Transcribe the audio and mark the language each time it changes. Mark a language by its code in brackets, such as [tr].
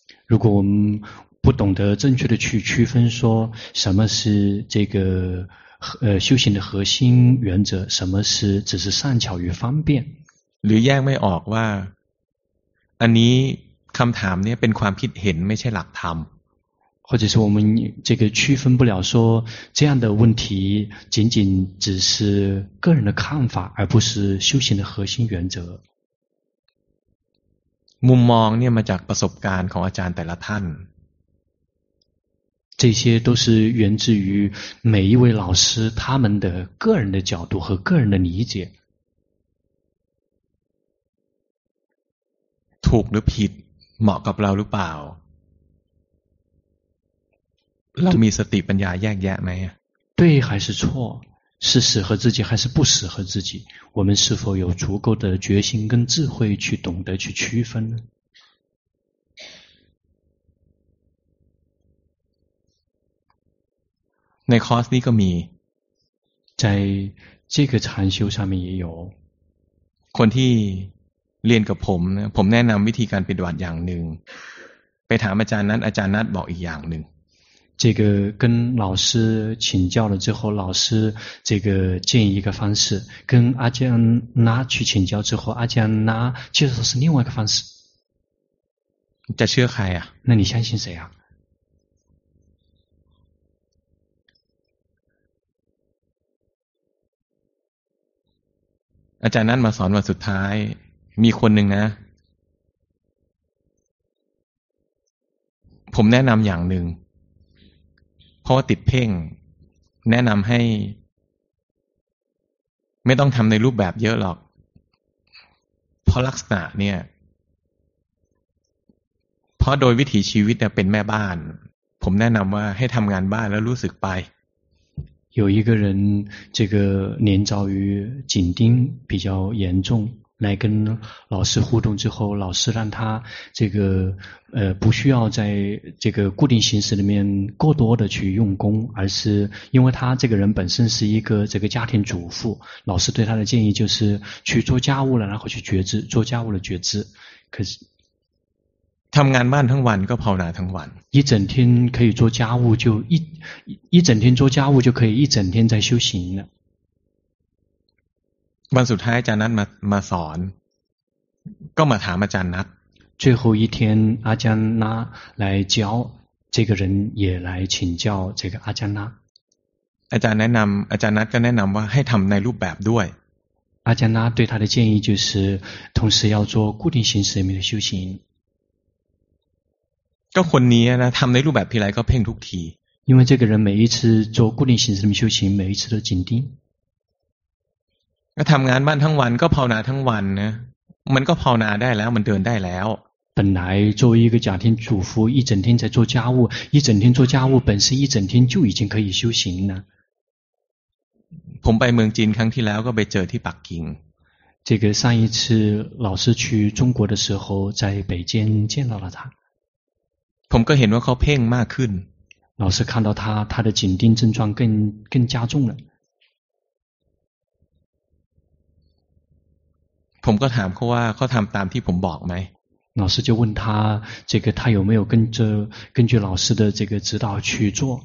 [zh] 如果我们不懂得正确的去区分说什么是这个修行的核心原则什么是只是善巧与方便 [th] หรือแยกไม่ออกว่าอันนี้คำถามเนี่ยเป็นความคิดเห็นไม่ใช่หลักธรรม [zh] 或者是我们这个区分不了说这样的问题仅仅只是个人的看法而不是修行的核心原则 [th] มุมมองเนี่ยมาจากประสบการณ์ของอาจารย์แต่ละท่าน [zh] 这些都是源自于每一位老师他们的个人的角度和个人的理解 [th] ถูกหรือผิดเหมาะกับเราหรือเปล่าเรามีสติปัญญาแยกแยะไหม [zh] 对还是错是适合自己还是不适合自己我们是否有足够的决心跟智慧去懂得去区分呢 [th] ในคอร์สนี้ก็มี [zh] 在这个禅修上面也有 [th] คนที่เรียนกับผมนะผมแนะนำวิธีการปฏิบัติอย่างหนึ่งไปถามอาจารย์นั้นอาจารย์นั้นบอกอีกอย่างหนึ่ง [zh] 这个跟老师请教了之后老师这个建议一个方式跟阿江拉去请教之后阿江拉介绍的是另外一个方式在车海啊那你相信谁啊阿江拉马上问出台 [th] มีคนหนึ่งนะผมแนะนำอย่างหนึ่งเพราะว่าติดเพ่งแนะนำให้ไม่ต้องทำในรูปแบบเยอะหรอกเพราะลักษณะเนี่ยเพราะโดยวิถีชีวิตเป็นแม่บ้านผมแนะนำว่าให้ทำงานบ้านแล้วรู้สึกไป [zh] 有一个人这个年遭于紧盯比较严重来跟老师互动之后老师让他这个不需要在这个固定形式里面过多的去用功而是因为他这个人本身是一个这个家庭主妇老师对他的建议就是去做家务了然后去觉知做家务的觉知可是 [th] ทำงานบ้านทั้งวันก็ภาวนาทั้งวัน [zh] 一整天可以做家务就一整天做家务就可以一整天在修行了 [th] วันสุดท้ายอาจารย์นัทมาสอนก็มาถามอาจารย์นัท [zh] 最后一天阿江拉来教这个人也来请教这个阿江拉 [th] อาจารย์แนะนำอาจารย์นัทก็แนะนำว่าให้ทำในรูปแบบด้วย [zh] 阿江拉对他的建议就是同时要做固定形式里面的修行 [th] ก็คนนี้นะทำในรูปแบบทีไรก็เพ่งทุกที [zh] 因为这个人每一次做固定形式里面修行每一次都紧盯 [th] ก็ทำงานบ้านทั้งวันก็ภาวนาทั้งวันนะมันก็ภาวนาได้แล้วมันเดินได้แล้ว [zh] 本来作为一个家庭主妇一整天在做家务一整天做家务本身一整天就已经可以修行了 [th] ผมไปเมืองจีนครั้งที่แล้วก็ไปเจอที่ปักกิ่ง [zh] 这个上一次老师去中国的时候在北京见到了他 [th] ผมก็เห็นว่าเขาเพ่งมากขึ้น [zh] 老师看到他的紧盯症状更加重了 [th] ผมก็ถามเขาว่าเขาทำตามที่ผมบอกไหม [zh] 老师就问他这个他有没有根据老师的这个指导去做